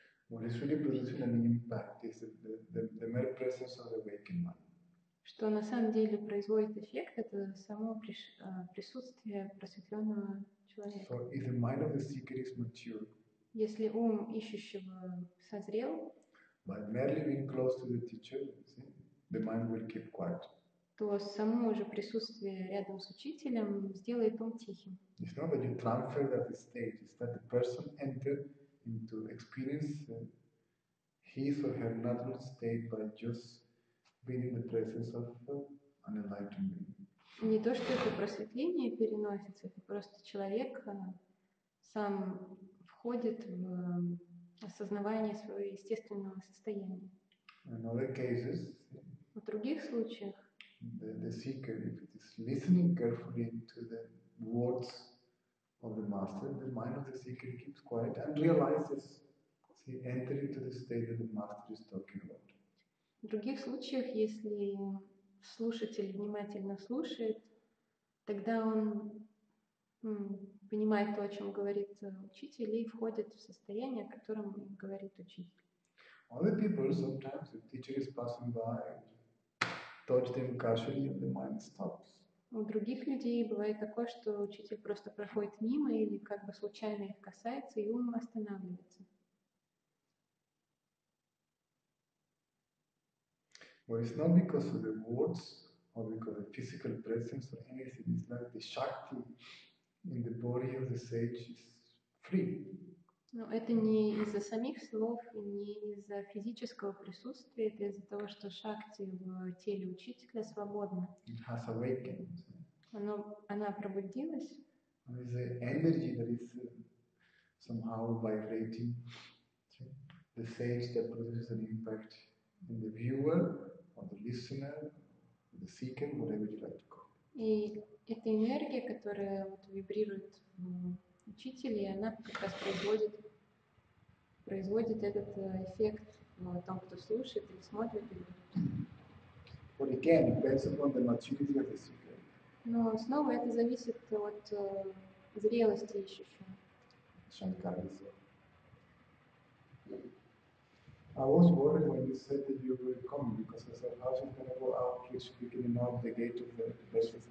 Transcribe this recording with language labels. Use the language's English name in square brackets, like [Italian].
[English] What is really producing an impact is the mere presence of the waking mind. [Russian] Что на самом деле производит эффект, это само присутствие просветленного человека. [English] So if the mind of the seeker is mature, [Russian] если ум ищущего созрел, [English] by merely being close to the teacher, see, the mind will keep quiet. [Russian] То само же присутствие рядом с учителем сделает ум тихим. [English] It's not that you transfer that state, it's that the person enters into experience his or her natural state by just being in the presence of an enlightened being. [Russian] Не то, что это просветление переносится, это просто человек сам входит в осознавание своего естественного состояния. [English] In other cases, [Russian] в других случаях, [English] the seeker, if it is listening carefully to the words of the master, the mind of the seeker keeps quiet and realizes, see, entering into the state that the master is talking about. [Russian] В других случаях, если слушатель внимательно слушает, тогда он понимает то, о чем говорит учитель, и входит в состояние, о котором говорит учитель. [English] Other people sometimes, if teacher is passing by, touch them casually and the mind stops. [Russian] У других людей бывает такое, что учитель просто проходит мимо или как бы случайно их касается, и ум останавливается. [English] Well, it's not because of the words or because of the physical presence or anything. It's like the shakti in the body of the sage is free. [Russian] Но это не из-за самих слов, не из-за физического присутствия, это из-за того, что шакти в теле учителя свободна. [English] It has awakened. [Russian] Она пробудилась. [English] And it's the energy that is somehow vibrating the sage that produces an impact in the viewer, the listener, the seeker, whatever you like to call. [Russian] И эта энергия, которая вот вибрирует в учителе, она как раз производит этот эффект на том, кто слушает или смотрит. [English] But again, it depends upon the maturity of the seeker. [Russian] Но снова это зависит от зрелости ищущего. [English] Шанкара said. I was worried when you said that you were coming because I said, how is it going to go out here speaking and out the gate of the best of the